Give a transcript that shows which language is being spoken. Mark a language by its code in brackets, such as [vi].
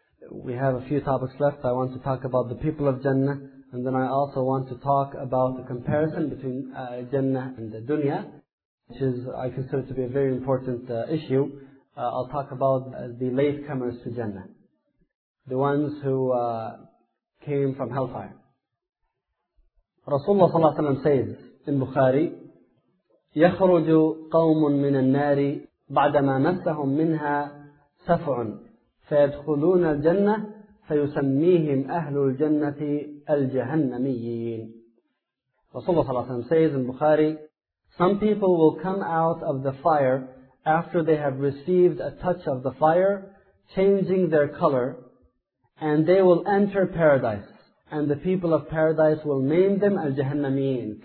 [en] We have a few topics left. I want to talk about the people of Jannah, and then I also want to talk about the comparison between Jannah and the dunya, which is I consider to be a very important issue. I'll talk about the latecomers to Jannah, the ones who came from hellfire. Rasulullah sallallahu alaihi wasallam says in Bukhari, [ar] يَخْرُجُ قَوْمٌ مِنَ النَّارِ بَعْدَمَا مَسَّهُمْ مِنْهَا سَفْعٌ فَيَدْخُلُونَ الْجَنَّةِ فَيُسَمِّيهِمْ أَهْلُ الْجَنَّةِ الْجَهَنَّمِيِّينَ. [en] Rasulullah sallallahu alayhi wa sallam says in Bukhari, some people will come out of the fire after they have received a touch of the fire, changing their color, and they will enter paradise. And the people of paradise will name them al-jahannamiyin.